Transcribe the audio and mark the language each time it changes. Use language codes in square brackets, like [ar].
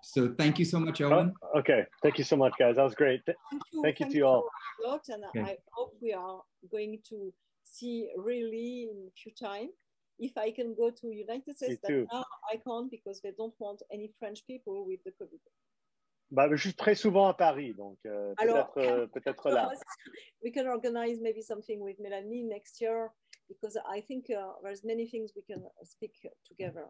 [en] So thank you so much, Owen. Oh, okay. Thank you so much, guys. That was great. Thank you to you all. I hope we are going to see really in a few time. If I can go to United States, I can't because they don't want any French people with the COVID. [fr] Bah, je suis très souvent à Paris, donc peut-être là. [en] We can organize maybe something with Melanie next year because I think there's many things we can speak together.